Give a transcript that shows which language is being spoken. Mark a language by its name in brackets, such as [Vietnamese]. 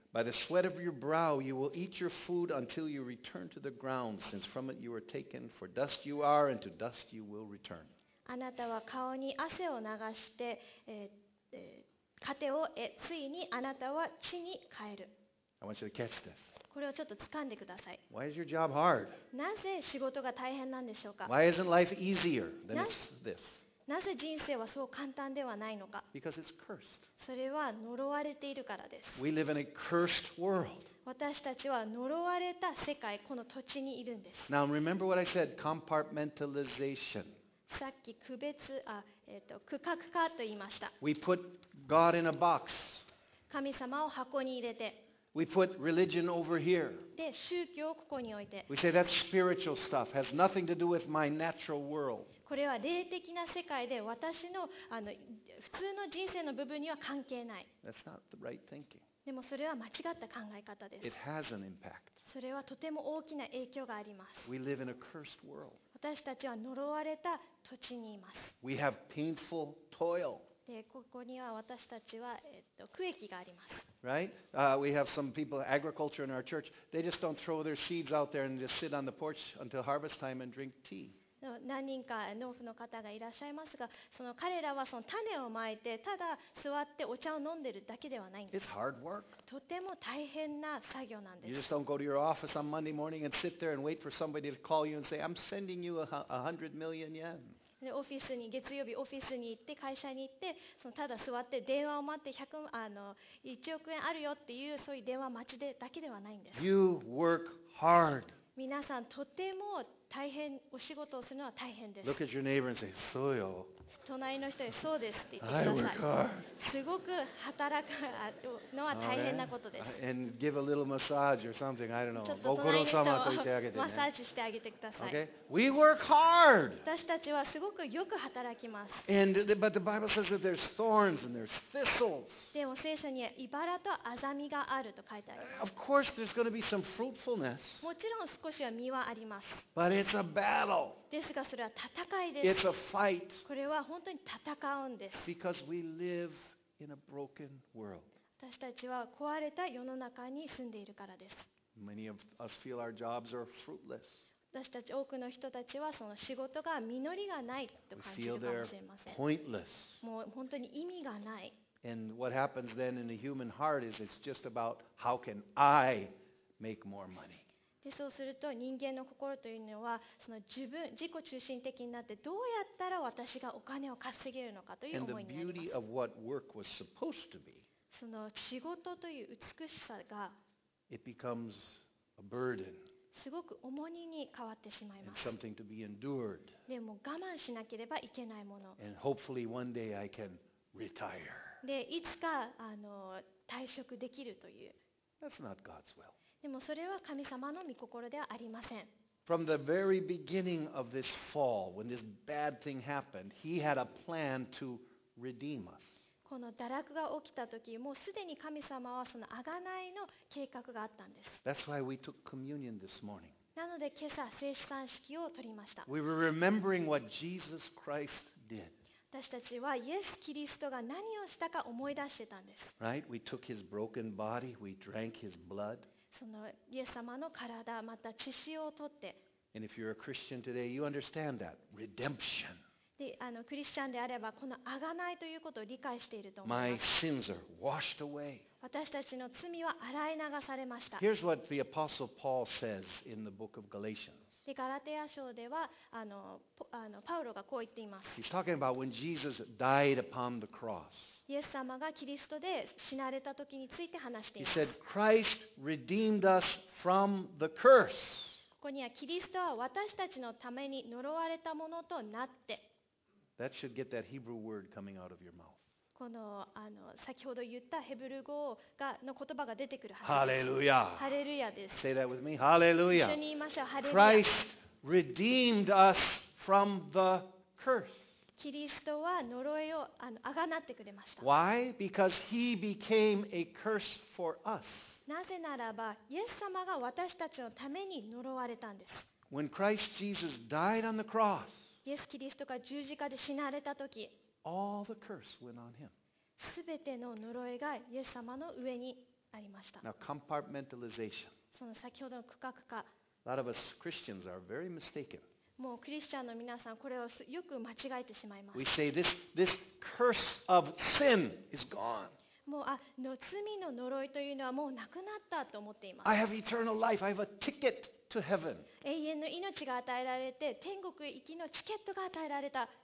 [English] By the sweat of your brow you will eat your food until you return to the ground, since from it you were taken, for dust you are, and to dust you will return. [Japanese] あなたは顔に汗を流して、糧を得、ついにあなたは地に帰る。 [English] I want you to catch this. [Japanese] これをちょっと掴んでください。 [English] Why is your job hard? [Japanese] なぜ仕事が大変なんでしょうか? [English] Why isn't life easier than this? [Japanese] なぜ人生はそう簡単ではないのか? [English] Because it's cursed. [Japanese] それは呪われているからです。 [English] We live in a cursed world. [Japanese] 私たちは呪われた世界、この土地にいるんです。 [English] Now remember what I said, compartmentalization. [Japanese] さっき区別、区画化と言いました。 [English] We put God in a box. [Japanese] 神様を箱に入れて、 [English] We put religion over here. [Japanese] で、宗教をここに置いて。 [English] We say that's spiritual stuff. Has nothing to do with my natural world. [Japanese] これは霊的な世界で、私の普通の人生の部分には関係ない。 [English] That's not the right thinking. [Japanese] でもそれは間違った考え方です。 [English] It has an impact. [Japanese] それはとても大きな影響があります。 [English] We live in a cursed world. [Japanese] 私たちは呪われた土地にいます。 [English] We have painful toil. [Japanese] で、ここには私たちは、区域があります。 [English] Right? We have some people, agriculture in our church, they just don't throw their seeds out there and just sit on the porch until harvest time and drink tea. [Japanese] 何人か農夫の方がいらっしゃいますが、その彼らはその種をまいて、ただ座ってお茶を飲んでるだけではないんです。 [English] It's hard work. [Japanese] とても大変な作業なんです。 [English] You just don't go to your office on Monday morning and sit there and wait for somebody to call you and say, I'm sending you $100 million. [Japanese] でオフィスに月曜日オフィスに行って会社に行ってそのただ座って電話を待って1億円あるよっていうそういう電話待ちでだけではないんです。 [English] You work hard. [Japanese] 皆さんとても大変お仕事をするのは大変です。 [English] Look at your neighbor and say, [Japanese] そうよ。隣の人にそうですって言ってください。すごく働くのは大変なことです。 [English] Right. And give a little massage or something. I don't know. [Japanese] ご苦労様と言ってあげてね。マッサージしてあげてください。 [English] Okay. We work hard. [Japanese] 私たちはすごくよく働きます。 [English] But the Bible says that there's thorns and there's thistles. [Japanese] でも聖書に茨とアザミがあると書いてあります。 [English] Of course, there's going to be some fruitfulness. [Japanese] もちろん少しは実はあります。 [English] But it's a battle. [Japanese] ですがそれは戦いです。 [English] It's a fight. [Japanese] これは本当に戦うんです。 [English] Because we live in a broken world. [Japanese] 私たちは壊れた世の中に住んでいるからです。 [English] Many of us feel our jobs are fruitless. [Japanese] 私たち多くの人たちはその仕事が実りがないと感じるかもしれません。 [English] We feel they're pointless. [Japanese] もう本当に意味がない。 [English] And what happens then in the human heart is it's just about how can I make more money. [Japanese] でそうすると人間の心というのはその自己中心的になってどうやったら私がお金を稼げるのかという思いになります。 [English] And the beauty of what work was supposed to be, [Japanese] その仕事という美しさが [English] it becomes a burden. [Japanese] すごく重荷に変わってしまいます。 [English] And something to be endured. [Japanese] でも我慢しなければいけないもの。 [English] And hopefully one day I can retire. [Japanese] でいつか退職できるという。 [English] That's not God's will. [Japanese] でもそれは神様の御心ではありません。 [English] From the very beginning of this fall, when this bad thing happened, he had a plan to redeem us. [Japanese] この堕落が起きた時、もうすでに神様はその贖いの計画があったんです。 [English] That's why we took communion this morning. [Japanese] なので今朝聖書賛式を取りました。 [English] We were remembering what Jesus Christ did. [Japanese] 私たちはイエス・キリストが何をしたか思い出してたんです。 [English] Right? We took his broken body, we drank his blood. [Japanese] そのイエス様の体、また血潮を取って。 [English] And if you're a Christian today, you understand that. Redemption. [Japanese] で、クリスチャンであれば、この贖いということを理解していると思います。 [English] My sins are washed away. [Japanese] 私たちの罪は洗い流されました。 [English] Here's what the Apostle Paul says in the book of Galatians. [Japanese] でガラテヤ書ではパウロがこう言っています。 [English] He's talking about when Jesus died upon the cross. [Japanese] イエス様がキリストで死なれた時について話しています。 [English] He said Christ redeemed us from the curse. [Japanese] ここにはキリストは私たちのために呪われたものとなって。 [English] That should get that Hebrew word coming out of your mouth. [Japanese] この先ほど言ったヘブル語がの言葉が出てくるはずです。ハレルヤ。ハレルヤです。 [English] Say that with me. Hallelujah. [Japanese] 一緒に言いましょう。ハレルヤ。 [English] Christ redeemed us from the curse. [Japanese] キリストは呪いをあがなってくれました。 [English] Why? Because he became a curse for us. [Japanese] なぜならば、イエス様が私たちのために呪われたんです。 [English] When Christ Jesus died on the cross, [Japanese] イエスキリストが十字架で死なれた時、 [English] All the curse went on him. [Japanese] すべての呪いがイエス様の上にありました。 [English] Now compartmentalization. [Japanese] その先ほどの区画化。 [English] A lot of us Christians are very mistaken. [Japanese] もうクリスチャンの皆さんこれをよく間違えてしまいます。 [English] We say this curse of sin is gone. [Japanese] もうの罪の呪いというのはもうなくなったと思っています。 [English] I have eternal life. I have a ticket. To heaven. [Japanese] 永遠の命が与えられて天国行きのチケットが与えられた。